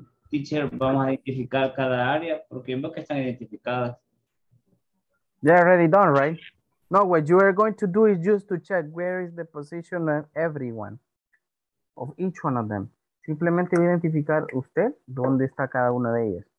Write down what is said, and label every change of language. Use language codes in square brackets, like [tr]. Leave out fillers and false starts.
[es] Teacher, vamos a identificar cada área porque vemos que están identificadas. [en] They're already done, right? No, what you are going to do is just to check where is the position of everyone, of each one of them. [es] Simplemente identificar usted dónde está cada una de ellas.